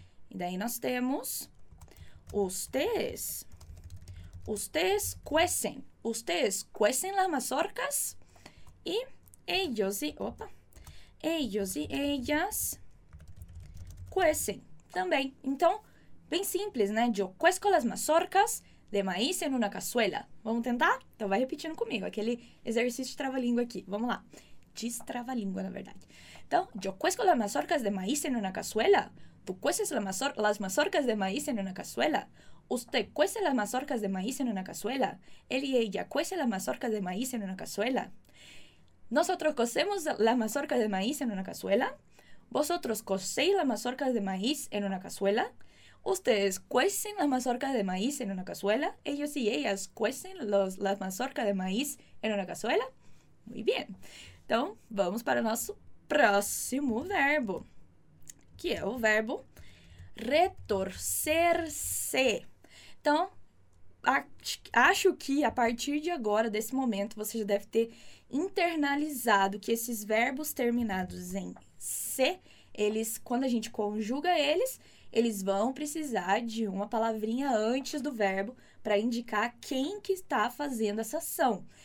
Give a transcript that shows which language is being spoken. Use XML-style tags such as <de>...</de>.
<pt>E daí nós temos</pt> <es>ustedes cuecen las mazorcas</es> <pt>e ellos e opa, ellos e ellas cuecen também. Então, bem simples, né?</pt> <es>Yo cuezco las mazorcas de maíz en una cazuela.</es> <pt>Vamos tentar? Então vai repetindo comigo, aquele exercício de trava-língua aqui. Vamos lá. Destrava a língua, na verdade.</pt> <es>Então, yo cuezco las mazorcas de maíz en una cazuela. Tú cueces las mazorcas de maíz en una cazuela. Usted cuece las mazorcas de maíz en una cazuela. Él y ella cuece las mazorcas de maíz en una cazuela. Nosotros cocemos las mazorcas de maíz en una cazuela. Vosotros cocéis las mazorcas de maíz en una cazuela. Ustedes cuecen las mazorcas de maíz en una cazuela. Ellos y ellas cuecen las mazorcas de maíz en una cazuela. Muy bien.</es> <pt>Então, vamos para o nosso próximo verbo, que é o verbo retorcer-se. Então, acho que a partir de agora, desse momento, você já deve ter internalizado que esses verbos terminados em se, eles, quando a gente conjuga eles vão precisar de uma palavrinha antes do verbo para indicar quem que está fazendo essa ação.</pt>